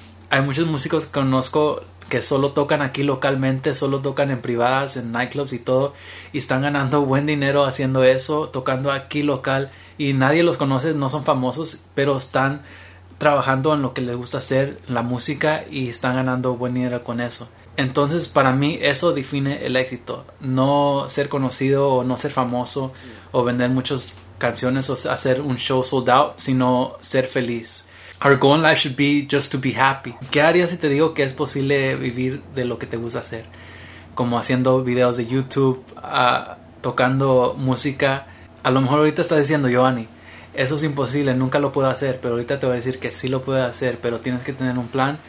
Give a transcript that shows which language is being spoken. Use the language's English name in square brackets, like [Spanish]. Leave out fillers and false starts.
[Spanish] Hay muchos músicos que conozco que solo tocan aquí localmente, solo tocan en privadas, en nightclubs y todo, y están ganando buen dinero haciendo eso, tocando aquí local, y nadie los conoce, no son famosos, pero están trabajando en lo que les gusta hacer, la música, y están ganando buen dinero con eso. Entonces, para mí, eso define el éxito. No ser conocido o no ser famoso o vender muchas canciones o hacer un show [English] sold out, [Spanish] sino ser feliz. [English] Our goal in life should be just to be happy. [Spanish] ¿Qué harías si te digo que es posible vivir de lo que te gusta hacer? Como haciendo videos de YouTube, tocando música. A lo mejor ahorita estás diciendo, Giovanni, eso es imposible, nunca lo puedo hacer, pero ahorita te voy a decir que sí lo puedo hacer, pero tienes que tener un plan.